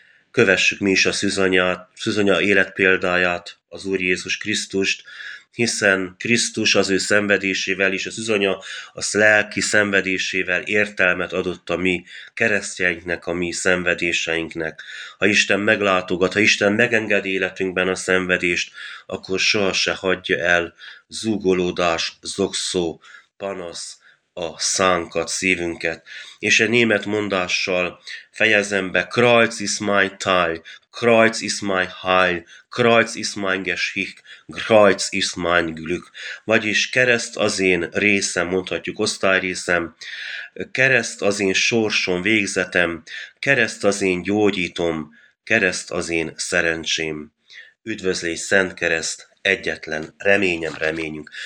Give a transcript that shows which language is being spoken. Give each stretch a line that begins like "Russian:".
Hungarian: Kövessük mi is a szüzenyát, szüzenya életpéldáját, az Úr Jézus Krisztust, hiszen Krisztus az ő szenvedésével és az üzanya az lelki szenvedésével értelmet adott a mi keresztjeinknek, a mi szenvedéseinknek. Ha Isten meglátogat, ha Isten megengedi életünkben a szenvedést, akkor soha se hagyja el zúgolódás, zokszó, panasz a szánkat, szívünket. És egy német mondással fejezem be,
German: Kreuz ist mein Teil, Kreuz ist mein Heil, Kreuz ist mein Geschick, Kreuz ist mein Glück.
Hungarian: Vagyis kereszt az én részem, mondhatjuk osztályrészem, kereszt az én sorsom, végzetem, kereszt az én gyógyítom, kereszt az én szerencsém. Üdvözlés, Szent Kereszt, egyetlen reményem, reményünk.